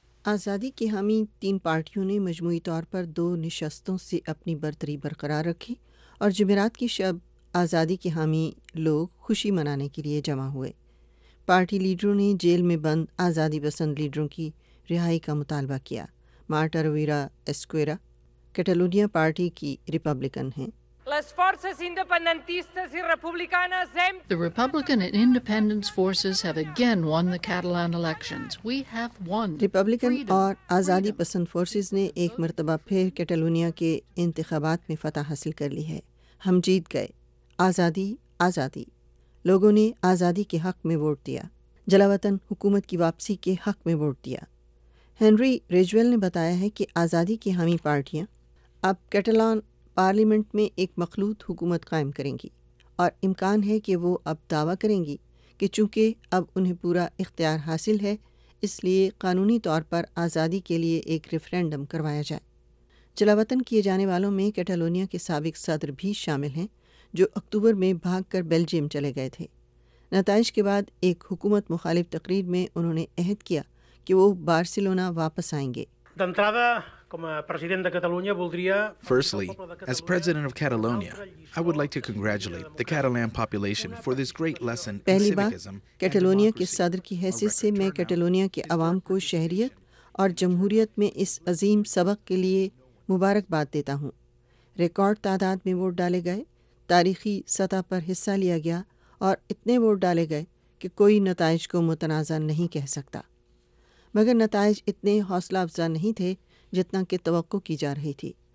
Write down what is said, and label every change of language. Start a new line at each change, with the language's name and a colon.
Urdu: آزادی کے حامی تین پارٹیوں نے مجموعی طور پر دو نشستوں سے اپنی برتری برقرار رکھی اور جمعرات کی شب آزادی کے حامی لوگ خوشی منانے کے لیے جمع ہوئے۔ پارٹی لیڈروں نے جیل میں بند آزادی پسند لیڈروں کی رہائی کا مطالبہ کیا۔ مارٹا رویرا اسکویرا کیٹالونیا پارٹی کی ریپبلکن ہیں۔
Spanish: Las fuerzas independentistas y republicanas
English: have The Republican and Independence forces have again won the Catalan elections. We have won.
Urdu: Republican اور آزادی پسند فورسز نے ایک مرتبہ پھر کیٹالونیا کے انتخابات میں فتح حاصل کر لی ہے۔ ہم جیت گئے، آزادی، آزادی، لوگوں نے آزادی کے حق میں ووٹ دیا، جلاوطن حکومت کی واپسی کے حق میں ووٹ دیا۔ ہنری ریجویل نے بتایا ہے کہ آزادی کی حامی پارٹیاں اب کیٹالان پارلیمنٹ میں ایک مخلوط حکومت قائم کریں گی اور امکان ہے کہ وہ اب دعویٰ کریں گی کہ چونکہ اب انہیں پورا اختیار حاصل ہے، اس لیے قانونی طور پر آزادی کے لیے ایک ریفرینڈم کروایا جائے۔ جلاوطن کیے جانے والوں میں کیٹالونیا کے سابق صدر بھی شامل ہیں، جو اکتوبر میں بھاگ کر بیلجیم چلے گئے تھے۔ نتائج کے بعد ایک حکومت مخالف تقریر میں انہوں نے عہد کیا کہ وہ بارسلونا واپس آئیں گے۔
English: Firstly, as president of Catalonia, I would like to congratulate the Catalan population for this great lesson in civism.
Urdu: پہلی بار کیٹالونیا کے صدر کی حیثیت سے میں کیٹالونیا کے عوام کو شہریت اور جمہوریت میں اس عظیم سبق کے لیے مبارکباد دیتا ہوں۔ ریکارڈ تعداد میں ووٹ ڈالے گئے، تاریخی سطح پر حصہ لیا گیا اور اتنے ووٹ ڈالے گئے کہ کوئی نتائج کو متنازع نہیں کہہ سکتا، مگر نتائج اتنے حوصلہ افزا نہیں تھے جتنا کہ توقع کی جا رہی تھی۔